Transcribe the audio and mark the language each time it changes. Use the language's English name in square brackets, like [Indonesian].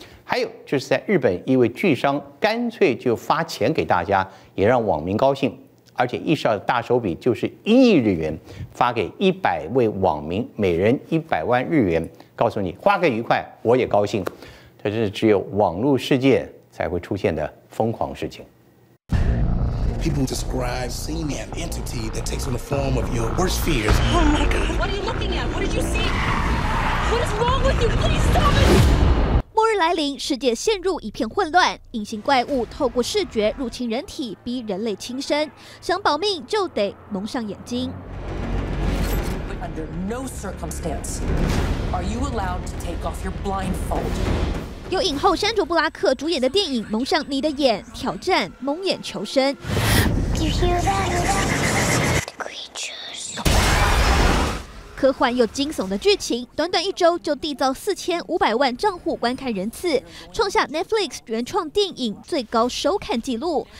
[Chinese] 还有就是在日本，一位巨商干脆就发钱给大家，也让网民高兴，而且一上大手笔就是1亿日元，发给100位网民每人100万日元，告诉你花个愉快我也高兴。这是只有网络世界才会出现的疯狂事情。 [English] People describe seeing an entity that takes on the form of your worst fears. Oh my God! What are you looking at? What did you see? What is wrong with you? Please stop it! [Chinese] 末日来临，世界陷入一片混乱。隐形怪物透过视觉入侵人体，逼人类轻生。想保命就得蒙上眼睛。 [English] But under no circumstance are you allowed to take off your blindfold. [Chinese] 由影后山卓·布拉克主演的电影《蒙上你的眼》挑战蒙眼求生。 [English] You hear that? Creatures. [Chinese] 科幻又惊悚的剧情，短短一周就缔造4500万账户观看人次，创下 Netflix 原创电影最高收看纪录。